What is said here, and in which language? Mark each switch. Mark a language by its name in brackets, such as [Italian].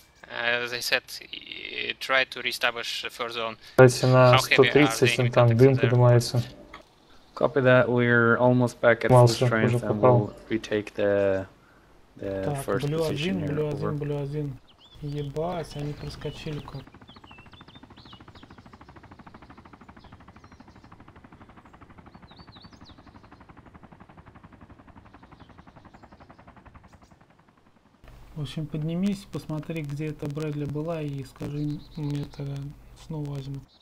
[English] As I said, try to reestablish the first zone. [Russian] Давайте на 130, там дым поднимается. [English] Copy that. We're almost back at full strength, and we'll retake the first position here. Over. Blue 1, blue 1, blue 1. [Russian] Ебать, они проскочили как. В общем, поднимись, посмотри, где эта Брэдли была, и скажи мне тогда, снова возьму.